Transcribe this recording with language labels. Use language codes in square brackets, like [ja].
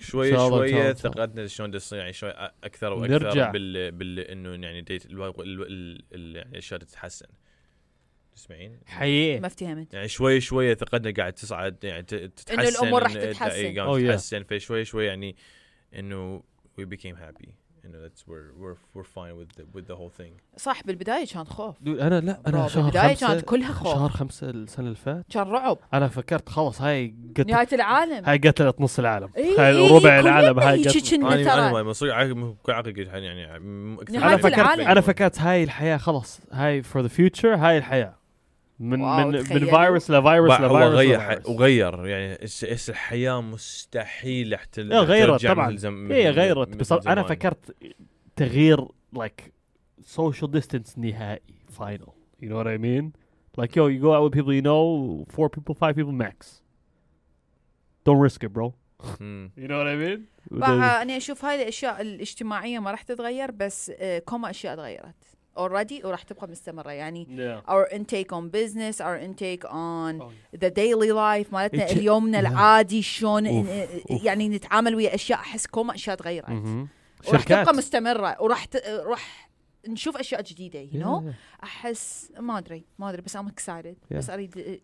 [ar] شوي ثقتنا شلون تصير يعني شوي أكثر وأكثر. نرجع. بال إنه يعني ديت الأشياء تتحسن. تسمعين؟ حقيقة. ما افتهمت. يعني شوي ثقتنا قاعد تصعد يعني تتحسن. إنه الأمور راح تتحسن. أوه يا. تتحسن في شوي يعني إنه [en] we became happy. You know that's we're fine with the whole thing. [ar] صح بالبداية كان خوف. أنا لا أنا برابة. شهر بداية خمسة. كانت كلها خوف. شهر 5 السنة اللي فات. كان رعب. أنا فكرت خلاص هاي. قتل نهاية العالم. هاي قتلت نص العالم. إيه. هاي ربع العالم هاي. أنا ما مصري عاقل يعني. نهاية العالم. أنا فكرت هاي الحياة خلاص هاي for the future هاي الحياة. من من تخيلوا. من فيروس لفيروس لفيروس وغير يعني إس الحياة مستحيل حتى غيرت طبعا هي غيرت بس أنا فكرت تغيير [en] like social distance نهائي final you know what I mean like yo you go out with people you know 4 people 5 people max don't risk it bro you know what I mean [ar] بقى أنا أشوف هاي الأشياء الاجتماعية ما راح تتغير بس كم أشياء تغيرت already وراح تبقى مستمرة يعني [en] our intake on business, our intake on the daily life [ar] مالتنا اليومنا العادي شون يعني نتعامل ويا أشياء أحسكم أشياء تغيرت وراح تبقى مستمرة وراح نشوف أشياء جديدة you know أحس ما أدري بس [en] I'm excited [ar] بس أريد